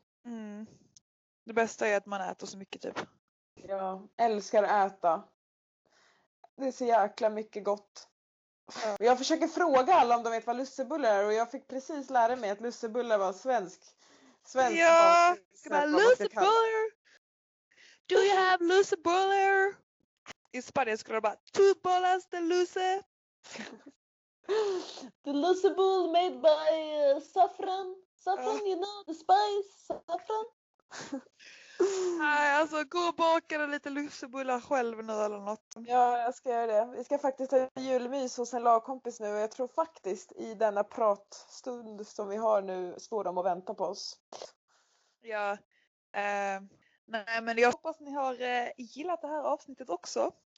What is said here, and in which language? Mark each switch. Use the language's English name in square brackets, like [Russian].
[Swedish] Mm. Det bästa är att man äter så mycket, typ. Ja, älskar att äta. Det är så jäkla mycket gott. Ja. Jag försöker fråga alla om de vet vad lussebullar är. Och jag fick precis lära mig att lussebullar var svensk. Svensk. Ja, lussebullar! [English] Do you have loose bowler? [Swedish] I Spanien skulle det bara two [Spanish] bolas de luce. [English] The loose bowl made by saffron. Saffron, you know, the spice. Saffron. [Swedish] Nej, alltså gå och baka lite lussebullar själv nu eller något. Ja, jag ska göra det. Vi ska faktiskt ha julmys hos en lagkompis nu. Jag tror faktiskt i denna pratstund som vi har nu står de och väntar på oss. Ja, nej, men jag hoppas ni har gillat det här avsnittet också.